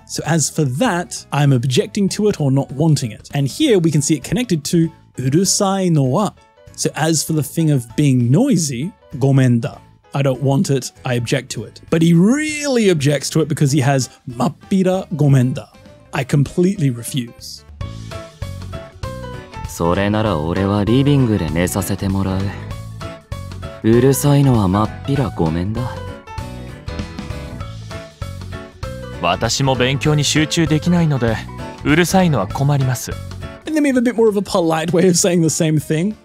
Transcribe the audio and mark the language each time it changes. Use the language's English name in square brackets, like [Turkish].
[English] So as for that, I'm objecting to it or not wanting it. And here we can see it connected to [Japanese] urusai no wa. [English] So as for the thing of being noisy, gomen da. I don't want it, I object to it. But he really objects to it because he has [Japanese] mappira gomenda. [English] I completely refuse. [Japanese] それなら俺はリビングで寝させてもらう。うるさいのはまっぴらごめんだ。私も勉強に集中できないので、うるさいのは困ります。 [English] And then we have a bit more of a polite way of saying the same thing.